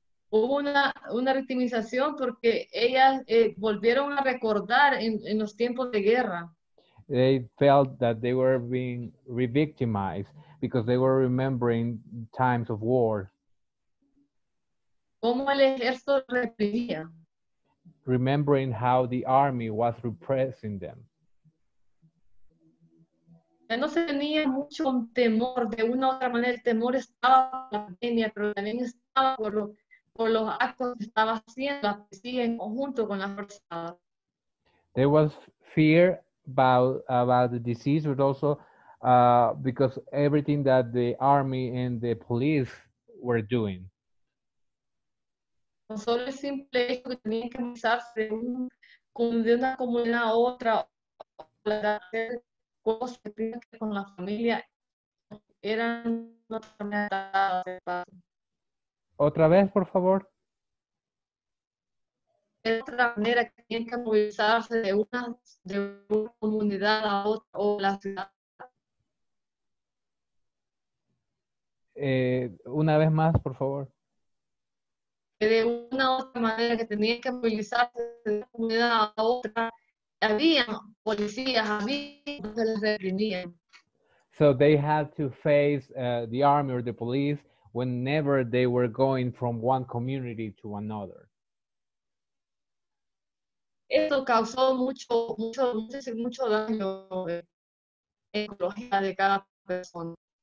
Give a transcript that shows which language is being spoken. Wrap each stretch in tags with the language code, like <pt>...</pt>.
<es>Hubo una victimización porque ellas volvieron a recordar en los tiempos de guerra.</es> <en>They felt that they were being re-victimized because they were remembering times of war.</en> <es>¿Cómo el ejército reprimía?</es> <en>Remembering how the army was repressing them.</en> <es>Ya no se tenía mucho temor, de una u otra manera el temor estaba por la pandemia, pero también estaba por los actos que estaba haciendo la policía en conjunto con las fuerzas.</es> <en>There was fear about the disease, but also because everything that the army and the police were doing.</en> <es>No solo el simple hecho que tenían que avisarse de una comunidad a otra para hacer cosas que con la familia eran una tormentada de paz. Otra vez, por favor. De otra manera, que tienen que movilizarse de una comunidad a otra o la ciudad. Una vez más, por favor. De una u otra manera, que tenían que movilizarse de una comunidad a otra, había policías, había que les reprimían.</es> <en>So they had to face the army or the police whenever they were going from one community to another.</en> <es>Esto causó mucho daño en la psicología de cada persona.</es>